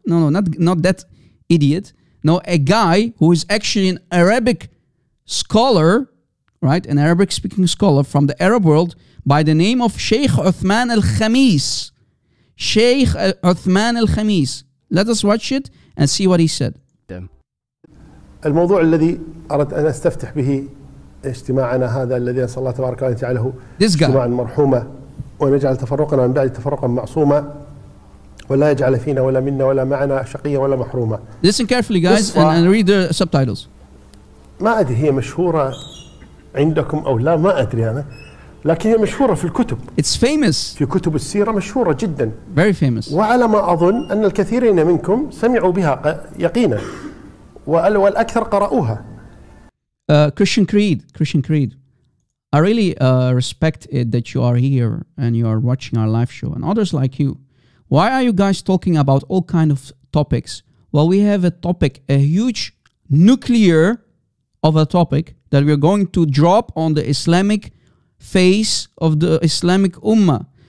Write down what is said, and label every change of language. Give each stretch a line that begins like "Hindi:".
English: No, not that idiot. No, a guy who is actually an Arabic scholar, right? An Arabic-speaking scholar from the Arab world by the name of Sheikh Uthman Al-Khamis. Sheikh Uthman Al-Khamis. Let us watch it and see what he said.
Arabic: الموضوع الذي أردت أن أستفتح به اجتماعنا هذا الذي صلى الله تبارك وتعالى اجتماع مرحومة ونجعل تفرقنا من بعد تفرقا معصومة ولا يجعل فينا ولا منا ولا معنا شقية ولا محرومة.
English: Listen carefully, guys, and read the subtitles.
Arabic: ما أدري هي مشهورة عندكم أو لا ما أدري أنا لكن هي مشهورة في الكتب.
English: It's famous.
Arabic: في كتب السيرة مشهورة جدا.
English: Very famous.
Arabic: وعلى ما أظن أن الكثيرين منكم سمعوا بها يقينا والأكثر قرأوها.
English: Christian Creed. I really respect it that you are here and you are watching our live show and others like you. Why are you guys talking about all kind of topics? Well, we have a topic, a huge nuclear of a topic that we are going to drop on the Islamic face of the Islamic Ummah.